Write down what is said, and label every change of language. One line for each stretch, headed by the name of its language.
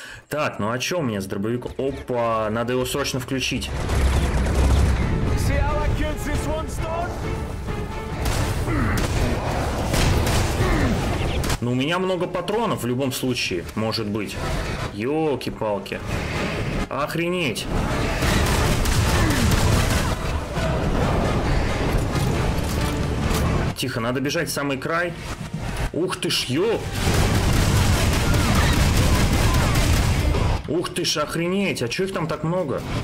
Russian: Так, ну а чё у меня с дробовиком? Опа, надо его срочно включить.
English: See how I killed this one, Stone?
Russian: Ну, у меня много патронов в любом случае, может быть. Ёлки-палки. Охренеть. Тихо, надо бежать в самый край. Ух ты ж, Ух ты ж, охренеть, а чё их там так много?